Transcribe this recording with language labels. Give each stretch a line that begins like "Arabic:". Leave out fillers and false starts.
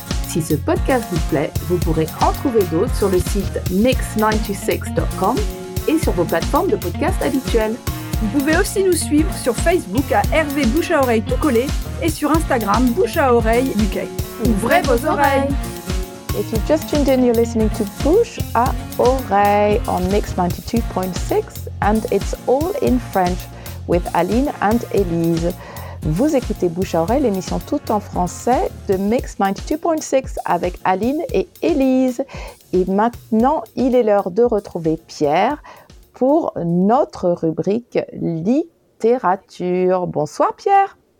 French: Si ce podcast vous plaît, vous pourrez en trouver d'autres sur le site mix96.com et sur vos plateformes de podcast habituelles. Vous pouvez aussi nous suivre sur Facebook à Hervé Bouche à Oreille tout collé et sur Instagram Bouche à Oreille UK. Ouvrez vos oreilles!
English: If you've just tuned in, you're listening to Bouche à Oreille on Mix 92.6 and it's all in French with Aline and Elise.
French: Vous écoutez Bouche à Oreille, l'émission tout en français de Mix 92.6 avec Aline et Elise. Et maintenant, il est l'heure de retrouver Pierre pour notre rubrique littérature. Bonsoir Pierre.